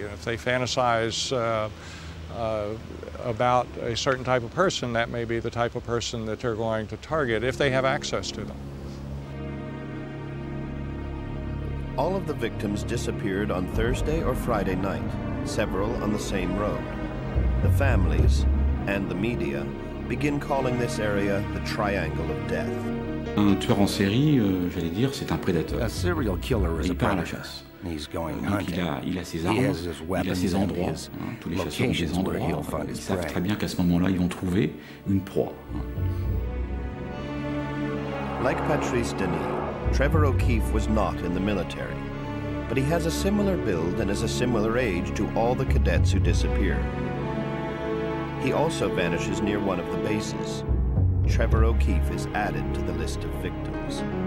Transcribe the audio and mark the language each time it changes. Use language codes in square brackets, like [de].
[en] And if they fantasize about a certain type of person, that may be the type of person that they're going to target if they have access to them. All of the victims disappeared on Thursday or Friday night, several on the same road. The families and the media begin calling this area the Triangle of Death. [fr] Un tueur en série, j'allais dire, c'est un prédateur. [en] A serial killer is [fr] il part à la chasse. [en] He's going hunting. [fr] Donc il a ses armes, il a ses endroits. Tous les chasseurs ont des endroits. Ils savent très bien qu'à ce moment-là, ils vont trouver une proie. [en] Like Patrice Denis, Trevor O'Keefe was not in the military. But he has a similar build and is a similar age to all the cadets who disappear. He also vanishes near one of the bases. Trevor O'Keefe is added to the list of victims.